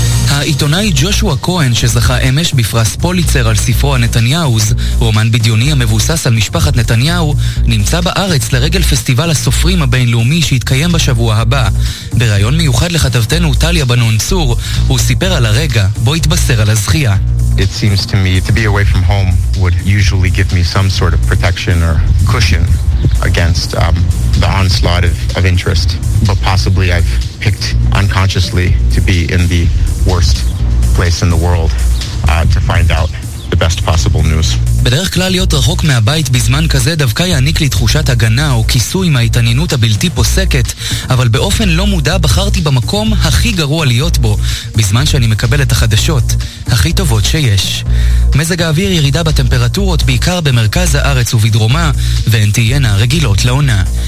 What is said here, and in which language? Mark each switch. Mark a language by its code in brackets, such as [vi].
[he] העיתונאי ג'ושוע כהן, שזכה אמש בפרס פוליצר על ספרו הנתניהוז, רומן בדיוני המבוסס על משפחת נתניהו, נמצא בארץ לרגל פסטיבל הסופרים הבינלאומי שיתקיים בשבוע הבא. בריאיון מיוחד לכתבתנו טליה בנון צור, הוא סיפר על הרגע בו התבשר על הזכייה. [en] It seems to me to be away from home would usually give me some sort of protection or cushion against the onslaught of interest, but possibly I've picked unconsciously to be in the worst place in the world to find out the best possible news. [he] בדרך כלל להיות רחוק מהבית בזמן כזה דווקא יעניק לי תחושת הגנה או כיסוי מההתעניינות הבלתי פוסקת, אבל באופן לא מודע בחרתי במקום הכי גרוע להיות בו, בזמן שאני מקבל את החדשות הכי טובות שיש. מזג האוויר ירידה בטמפרטורות בעיקר במרכז הארץ ובדרומה, והן תהיינה רגילות לעונה.